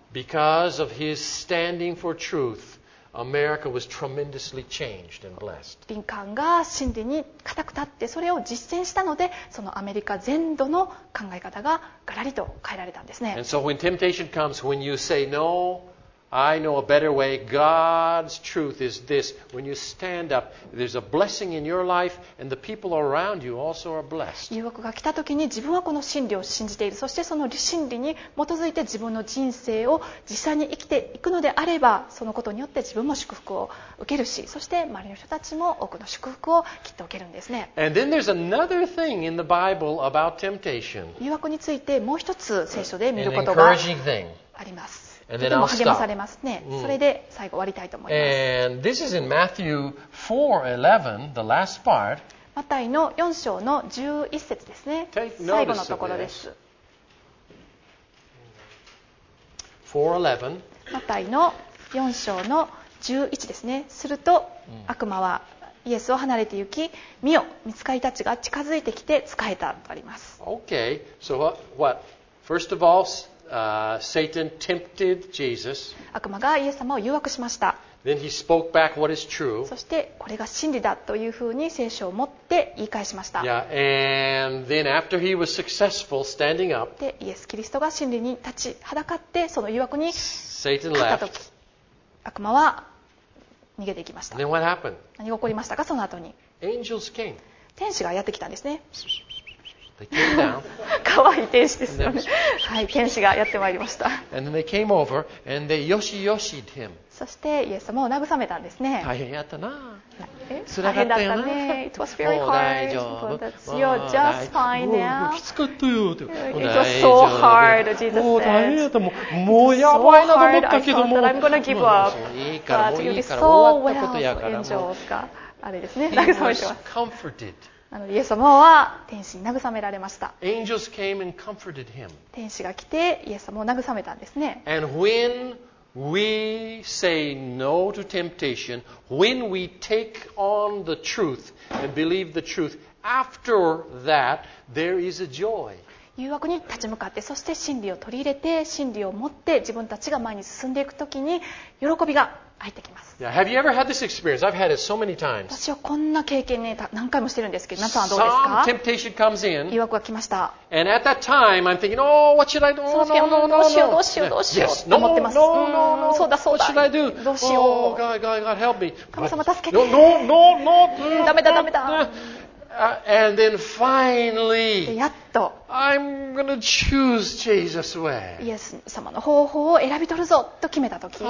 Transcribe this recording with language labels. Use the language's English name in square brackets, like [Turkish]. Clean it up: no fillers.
[English] because of his standing for truthAmerica was tremendously changed and blessed. [Japanese] リンカンが真理に固く立ってそれを実践したので、そのアメリカ全土の考え方がガラリと変えられたんですね。 [English] And so when temptation comes, when you say no, I know a better way. God's truth is this. When you stand up, there's a blessing in your life, and the people around you also are blessed. [Japanese] 誘惑が来た時に自分はこの真理を信じている。そしてその真理に基づいて自分の人生を実際に生きていくのであれば、そのことによって自分も祝福を受けるし、そして周りの人たちも多くの祝福をきっと受けるんですね。 [English] And then there's another thing in the Bible about temptation. [Japanese] 誘惑についてもう一つ聖書で見ることがあります。 [English] An encouraging thing. [Japanese] とても励まされますね。それで最後終わりたいと思います。 [English] And this is in Matthew 4:11, the last part. [Japanese] マタイの4章の11節ですね。最後のところです。 [English] 4:11. [Japanese] マタイの4章の11ですね。すると悪魔はイエスを離れて行き、見よ、御使いたちが近づいてきて仕えたとあります。 [English] Okay, so what? First of all,Satan tempted Jesus. [Japanese] 悪魔がイエス様を誘惑しました。 [English] Then he spoke back what is true. [Japanese] そしてこれが真理だというふうに聖書を持って言い返しました。 [English] Yeah. And then after he was successful standing up, [Japanese] でイエス・キリストが真理に立ちはだかってその誘惑に [English] Satan [Japanese] 勝った時、 [English] left. [Japanese] 悪魔は逃げていきました。 [English] Then what happened? [Japanese] 何が起こりましたか、その後に。 [English] Angels came. [Japanese] 天使がやってきたんですね。かわいい天使ですよね。はい、天使がやってまいりました。 [English] And then they came over and they yoshi-yoshied him. [Japanese] そしてイエス様を慰めたんですね。大変やったな。つらかったよな。 [English] It was very hard. You're just fine now. [Japanese] きつかったよって。 [English] It was so hard, Jesus said. [Japanese] もう大変やった。もうやばいなと思ったけども。 [English] I thought that I'm gonna give up. [Japanese] いいから、もういいから、終わったことやから。もう、あれですね、慰めてます。 [English] He was comforted [Japanese] イエス様は天使に慰められました。 [English] Angels came and comforted him. [Japanese] 天使が来てイエス様を慰めたんですね。 [English] And when we say no to temptation, when we take on the truth and believe the truth, after that, there is a joy. [Japanese] 誘惑に立ち向かって、そして真理を取り入れて、真理を持って自分たちが前に進んでいくときに喜びが入ってきます。 [English] Yeah, have you ever had this experience? I've had it so many times. [Japanese] 私はこんな経験ね、何回もしてるんですけど、皆さんはどうですか? [English] Some temptation comes in. [Japanese] 誘惑が来ました。 [English] And at that time, I'm thinking, oh, what should I do? [Japanese] その時は、どうしようって思ってます。そうだそうだ。 [English] What should I do? [Japanese] どうしよう。 [English] Oh, God, help me. [Japanese] 神様助けて。 [English] No. [Japanese] ダメだダメだ。 [English] And then finally, [Japanese] やっと [English] I'm gonna choose Jesus way. [Japanese] イエス様の方法を選び取るぞと決めた時。